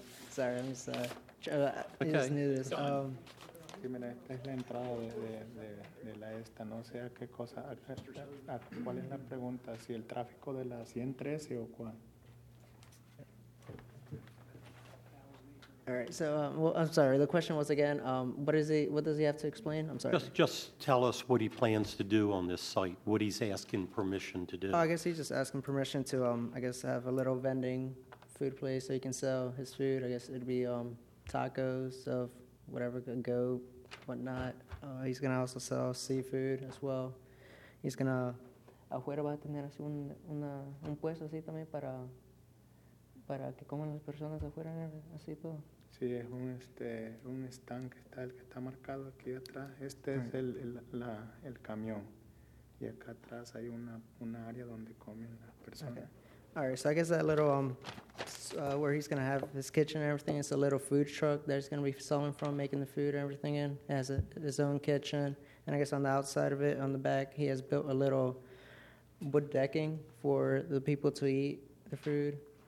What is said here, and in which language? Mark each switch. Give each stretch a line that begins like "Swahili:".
English: Sorry, I'm sorry. Okay. I just knew this.
Spanish: Mira, esta es la entrada de la esta. No sé a qué cosa, cuál es la pregunta, si el tráfico de la 113 o cuál.
English: All right, so I'm sorry, the question was again, what does he have to explain? I'm sorry. Just tell us what he plans to do on this site, what he's asking permission to do. Oh, I guess he's just asking permission to, have a little vending food place so he can sell his food. I guess it'd be tacos of whatever can go, whatnot. He's going to also sell seafood as well. He's going to...
Spanish: Afuera va a tener así un puesto así también para que coman las personas afuera, así todo. Sí, es un stand que está, el que está marcado aquí atrás. Este es el camión. Y acá atrás hay una área donde comen las personas.
English: Okay. All right, so I guess that little, where he's going to have his kitchen and everything, it's a little food truck that he's going to be selling from, making the food and everything in. It has his own kitchen. And I guess on the outside of it, on the back, he has built a little wood decking for the people to eat the food.